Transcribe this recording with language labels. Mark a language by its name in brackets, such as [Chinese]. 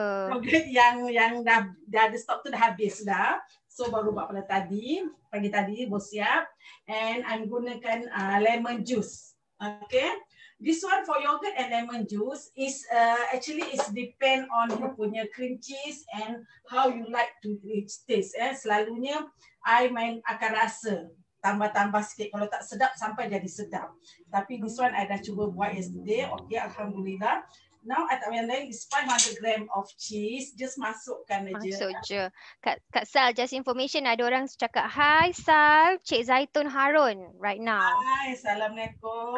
[Malay] Yogurt yang dah ada stock tu dah habis dah. So baru buat pada tadi, pagi tadi baru siap. [English] And I'm [Malay] gunakan lemon juice. Okay. [English] This one for yogurt and lemon juice is actually is depend on you punya cream cheese and how you like to taste. [Malay] Selalunya I main akan rasa tambah-tambah sikit, kalau tak sedap sampai jadi sedap. [English] Tapi this one I [Malay] dah cuba buat [English] yesterday. Okay, alhamdulillah. Now I [Malay] tak payah lain, [English] it's 500 gram of cheese. [Malay] Just masukkan aja. Masuk je. Kak Sal, [English] just information, [Malay] ada orang cakap, "Hi Sal, Cik Zaitun Harun [English] right now." [Malay] Hi, assalamualaikum.